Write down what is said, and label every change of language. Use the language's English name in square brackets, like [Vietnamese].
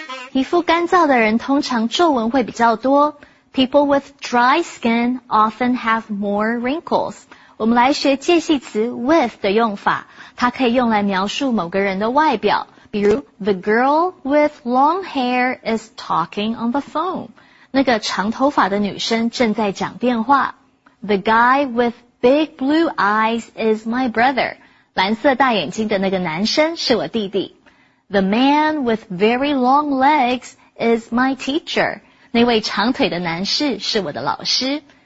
[Chinese] 皮肤干燥的人通常皱纹会比较多。 [English] People with dry skin often have more wrinkles. [Chinese] 我们来学介系词 with 的用法，它可以用来描述某个人的外表。比如 [English] ,the girl with long hair is talking on the phone. [Chinese] 那个长头发的女生正在讲电话。 [English] The guy with big blue eyes is my brother. [Chinese] 蓝色大眼睛的那个男生是我弟弟。 [English] The man with very long legs is my teacher. [Chinese] 那位长腿的男士是我的老师。